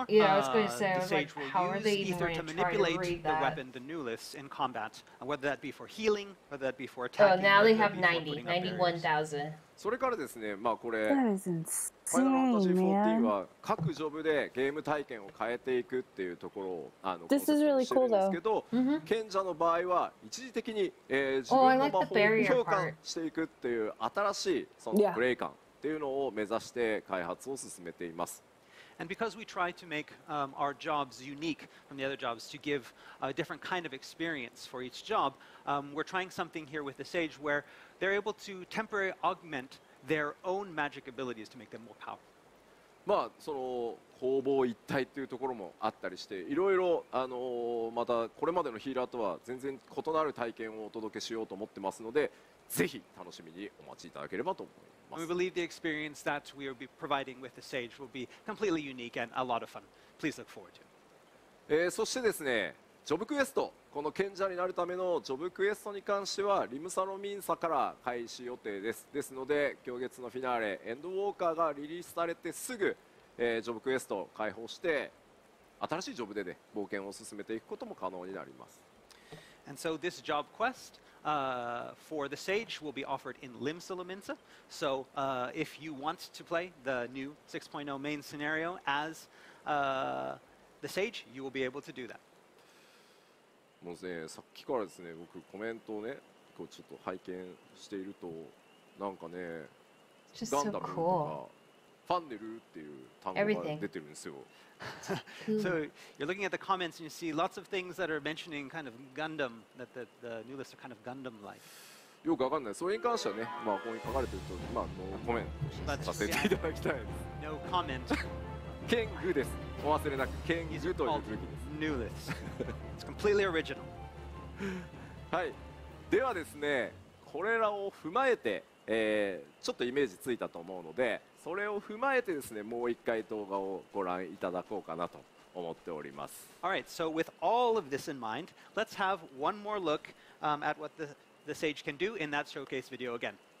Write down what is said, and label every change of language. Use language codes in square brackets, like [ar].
[en] Yeah, I was going to say, I was like, how are they even trying to manipulate the weapon, the Nullis, in combat? Whether that be for healing, whether that be for attacking. Oh, now they have 91,000. [ja] それからですね、まあこれ、ファイナルファンタジー14 は各ジョブでゲーム体験を変えていくっていうところを、コンセプトしてるんですけど、賢者の場合は一時的に、自分の魔法を強化していくっていう新しいそのプレイ感っていうのを目指して開発を進めています。 [en] And because we try to make our jobs unique from the other jobs to give a different kind of experience for each job, we're trying something here with the Sage where they're able to temporarily augment their own magic abilities to make them more powerful. [ja] まあその攻防一体というところもあったりして、いろいろまたこれまでのヒーラーとは全然異なる体験をお届けしようと思ってますので、ぜひ楽しみにお待ちいただければと思います。 [en] We believe the experience that we will be providing with the Sage will be completely unique and a lot of fun. Please look forward to it. [ja] そしてですね、ジョブクエスト、この賢者になるためのジョブクエストに関してはリムサロミンサから開始予定です。ですので、今月のフィナーレ、エンドウォーカーがリリースされてすぐ、ジョブクエストを開放して、新しいジョブで、ね、冒険を進めていくことも可能になります。 [en] And so this job quest,for the Sage will be offered in Limsa Luminsa. So if you want to play the new 6.0 main scenario as the Sage, you will be able to do that. [ja] もうですね、さっきからですね、僕コメントをね、こうちょっと拝見していると、なんかね、ガンダムとかファンネルっていう単語が出てるんですよ。 [en] So you're looking at the comments and you see lots of things that are mentioning kind of Gundam, that the new list are kind of Gundam-like. [ja] よくわかんない。それに関してはね、まあここに書かれてると、まあノーコメントさせていただきたい。 [en] No comment. [ja] ケングです。お忘れなく、ケングという武器です。 [en] New list. It's completely original. [ja] はい。ではですね、これらを踏まえて、ちょっとイメージついたと思うので、それを踏まえてですね、もう一回動画をご覧いただこうかなと思っております。 [en] Alright, so with all of this in mind, let's have one more look at what the Sage can do in that showcase video again.